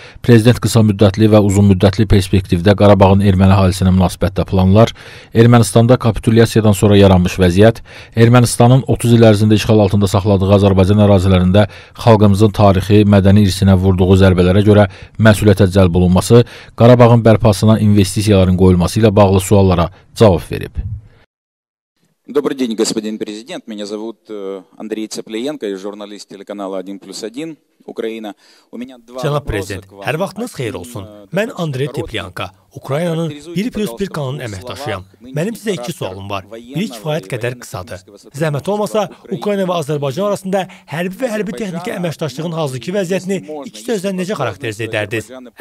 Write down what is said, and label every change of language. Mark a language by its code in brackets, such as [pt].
[az] Prezident qısa müddətli və uzun müddətli perspektivdə Qarabağın erməni əhalisinə münasibətdə planlar, Ermənistanda kapitulyasiyadan sonra yaranmış vəziyyət, Ermənistanın 30 il ərzində işğal altında saxladığı Azərbaycan ərazilərində xalqımızın tarixi, mədəni irsinə vurduğu zərbələrə görə məsuliyyətə cəlb olunması, Qarabağın bərpasına investisiyaların qoyulması ilə bağlı suallara cavab verib. [ru] Добрый день, господин президент. Меня зовут Андрей Цеплиенко, я журналист телеканала 1+1. Украина. У меня два вопроса. [az] Cənab prezident, hər vaxtınız xeyir olsun. Mən Andrey Teplyanka, Ukraynanın 1+1 kanalının əməkdaşıyam. Mənim sizə iki sualım var. Biri kifayət qədər qısadır. Zəhmət olmasa, Ukrayna və Azərbaycan arasında hərbi və hərbi texniki əməkdaşlığın hazırki vəziyyətini iki sözlə necə xarakterizə edərdiniz?